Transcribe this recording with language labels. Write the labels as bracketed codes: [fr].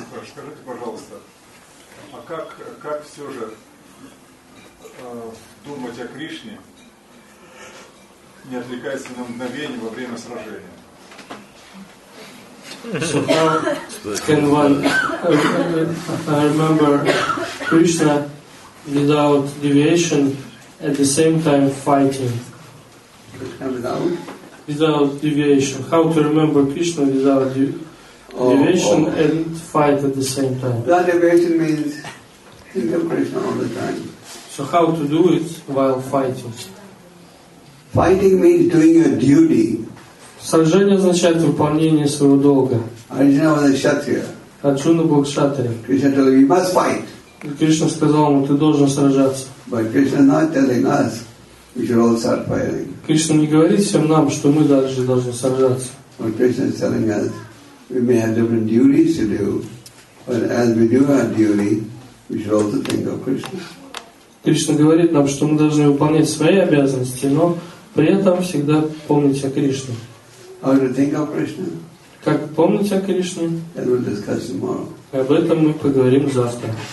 [ru] Скажите, пожалуйста, а как все же думать о Кришне, не отвлекаясь на мгновение во время сражения? [en] So how can one remember Krishna without deviation at the same time fighting? Without deviation. How to remember Krishna without deviation and fight at the same time? Without deviation means think of Krishna all the time. So how to do it while fighting? Fighting means doing your duty. [ru] Сражение означает выполнение своего долга. [en] Arjuna was a kshatriya. [ru] Arjuna был кшатрия. [en] Krishna told him, you must fight. [ru] И Кришна сказал ему, ты должен сражаться. [en] But Krishna is not telling us we should all start fighting. [ru] Кришна не говорит всем нам, что мы дальше должны сражаться. [en] But Krishna is telling us we may have different duties to do, but as we do our duty, we should also think of Krishna. [ru] Кришна говорит нам, что мы должны выполнять свои обязанности, но при этом всегда помнить о Кришне. [en] How to think of Krishna? [ru] Как помнить о Кришне? [en] That we'll discuss tomorrow. [ru] Об этом мы поговорим завтра.